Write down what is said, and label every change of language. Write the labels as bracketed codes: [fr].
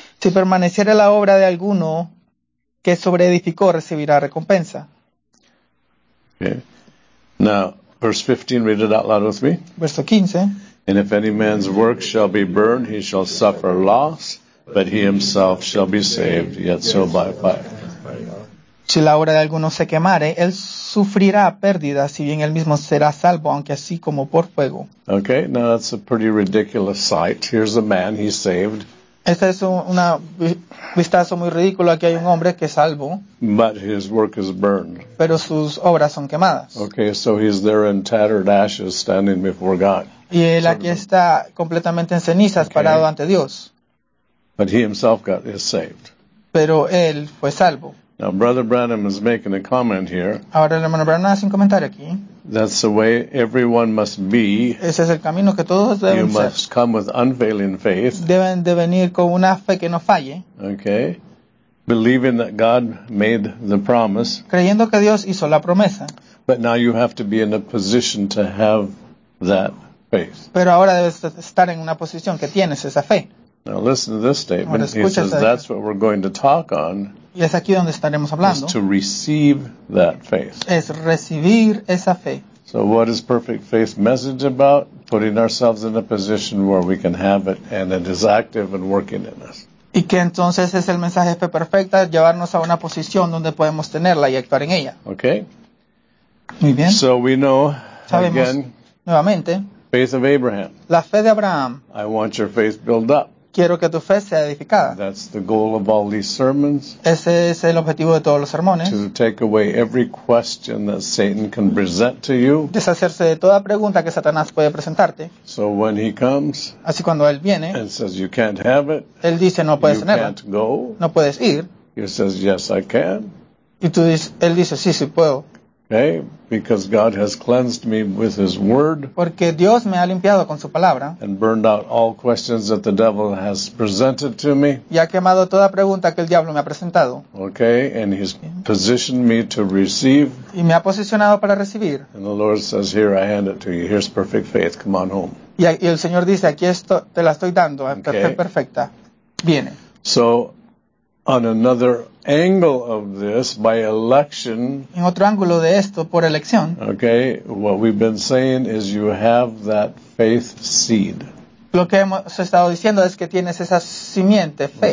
[es] Si permaneciere la obra de alguno que sobreedificó, recibirá recompensa. [en] Okay. Now, verse 15, read it out loud with me. [es] Verso 15. [en] And if any man's work shall be burned, he shall suffer loss, but he himself shall be saved, yet so by fire. [es] Si la obra de alguno se quemare, él sufrirá pérdida, si bien él mismo será salvo, aunque así como por fuego. [en] Okay, now that's a pretty ridiculous sight. Here's a man, he's saved. [es] Este es un vistazo muy ridículo. Aquí hay un hombre que es salvo. [en] But his work is burned. [es] Pero sus obras son quemadas. [en] Okay, so he's there in tattered ashes standing before God. [es] Y él aquí está completamente en cenizas, okay, parado ante Dios. [en] But he himself is saved. [es] Pero él fue salvo. [en] Now, Brother Branham is making a comment here. [es] Ahora el hermano Branham hace un comentario aquí. [en] That's the way everyone must be. [es] Ese es el camino que todos deben [en] ser. You must come with unfailing faith. [es] Deben de venir con una fe que no falle. [en] Okay. Believing that God made the promise. [es] Creyendo que Dios hizo la promesa. [en] But now you have to be in a position to have that faith. [es] Pero ahora debes estar en una posición que tienes esa fe. [en] Now listen to this statement. [es] Ahora, [en] he says that's what we're going to talk on. [es] Y es aquí donde estaremos hablando. [en] Is to receive that faith. [es] Es recibir esa fe. [en] So what is perfect faith message about? Putting ourselves in a position where we can have it and it is active and working in us. [es] Y que entonces es el mensaje de fe perfecta, llevarnos a una posición donde podemos tenerla y actuar en ella. [en] Okay. [es] Muy bien. [en] So we know, [es] sabemos, [en] again, [es] nuevamente, [en] faith of Abraham. [es] La fe de Abraham. [en] I want your faith built up. [es] Quiero que tu fe sea edificada. [en] That's the goal of all these sermons. [es] Ese es el objetivo de todos los sermones. [en] To take away every question that Satan can present to you. [es] Deshacerse de toda pregunta que Satanás puede presentarte. [en] So when he comes, [es] así cuando él viene, [en] and says you can't have it, [es] él dice no puedes tenerlo. [en] You can't go. [es] No puedes ir. [en] He says yes I can. [es] Y tú dices, él dice sí, sí puedo. [en] Okay, because God has cleansed me with His Word. [es] Porque Dios me ha limpiado con su palabra. [en] And burned out all questions that the devil has presented to me. [es] Y ha quemado toda pregunta que el diablo me ha presentado. [en] Okay, and He's positioned me to receive. [es] Y me ha posicionado para recibir. [en] And the Lord says, "Here I hand it to you. Here's perfect faith. Come on home." [es] Y el Señor dice, aquí esto te la estoy dando, okay. Fe perfecta. Viene. [en] So, on another angle of this, by election. [es] En otro ángulo de esto, por elección. [en] Okay, what we've been saying is you have that faith seed. [es] Lo que hemos estado diciendo es que tienes esa simiente fe.